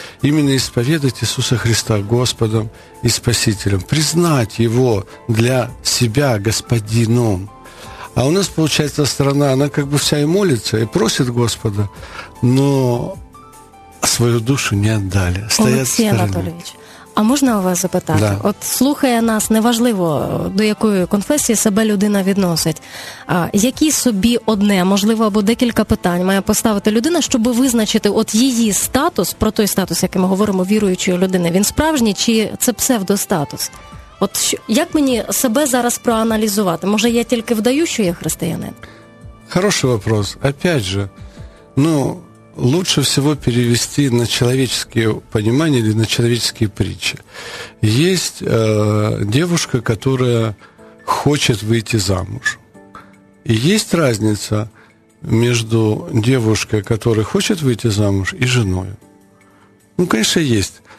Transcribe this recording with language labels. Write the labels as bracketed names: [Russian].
[Russian] Именно исповедать Иисуса Христа Господом и Спасителем. Признать Его для себя Господином. А у нас, получается, страна, она как бы вся и молится, и просит Господа, но свою душу не отдали. Стоят Алексей стороны. [Ukrainian] Анатольевич. А можна у вас запитати? [Russian] Да. [Ukrainian] От слухає нас, неважливо, до якої конфесії себе людина відносить. А які собі одне, можливо, або декілька питань має поставити людина, щоб визначити от її статус, про той статус, який ми говоримо, віруючої людини, він справжній чи це псевдостатус? От як мені себе зараз проаналізувати? Може, я тільки вдаю, що я християнин? [Russian] Хороший вопрос. Опять же, ну... Лучше всего перевести на человеческие понимания или на человеческие притчи. Есть девушка, которая хочет выйти замуж. И есть разница между девушкой, которая хочет выйти замуж, и женой. Ну, конечно, есть.